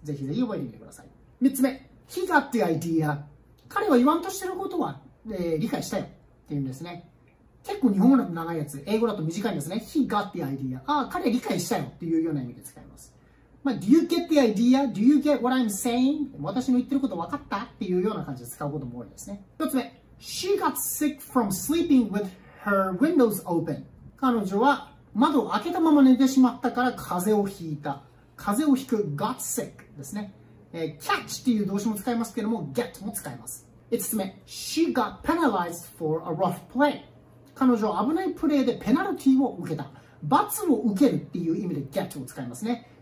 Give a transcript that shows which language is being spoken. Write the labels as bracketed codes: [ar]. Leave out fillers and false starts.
[ja] ぜひぜひ覚えてみてください。3つ目、 [en] He got the idea. [ja] 彼は言わんとしてることは、理解したよっていうんですね。結構日本語だと長いやつ、英語だと短いんですね。 [en] He got the idea. [ja] ああ、彼は理解したよっていうような意味で使います。 [en] まあ、Do you get the idea? Do you get what I'm saying? [ja] 私の言ってること分かったっていうような感じで使うことも多いですね。一つ目。 [en] She got sick from sleeping with her windows open. [ja] 彼女は窓を開けたまま寝てしまったから風邪をひいた。風邪をひく got sick ですね。catch っていう動詞も使いますけども、get も使います。五つ目。 [en] She got penalized for a rough play. [ja] 彼女は危ないプレーでペナルティを受けた。罰を受けるっていう意味で get を使いますね。